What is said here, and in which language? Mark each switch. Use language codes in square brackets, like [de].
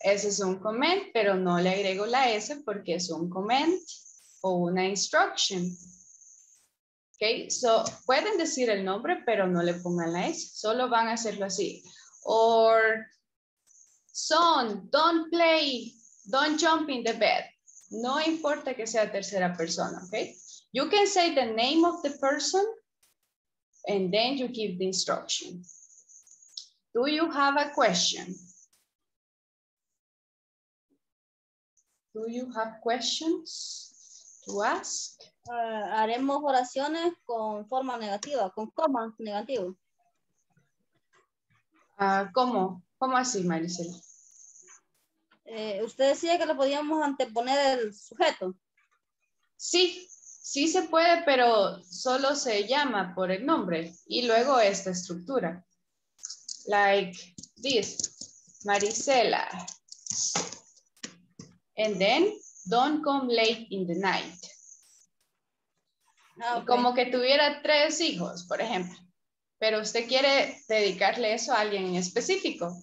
[es] Ese es un comment, pero no le agrego la S porque es un comment o una instruction. Okay, so pueden decir el nombre, pero no le pongan la S. Solo van a hacerlo así. [en] Or, son, don't play, don't jump in the bed. [es] No importa que sea tercera persona, okay? [en] You can say the name of the person, and then you give the instruction. Do you have a question? Do you have questions to ask? [es] Haremos oraciones con forma negativa, con coma negativo. ¿Cómo? ¿Cómo así, Maricela? Usted decía que lo podíamos anteponer el sujeto. Sí, sí se puede, pero solo se llama por el nombre y luego esta estructura. [en] Like this, Maricela. And then, don't come late in the night. [es] Ah, okay. Como que tuviera tres hijos, por ejemplo. Pero usted quiere dedicarle eso a alguien en específico.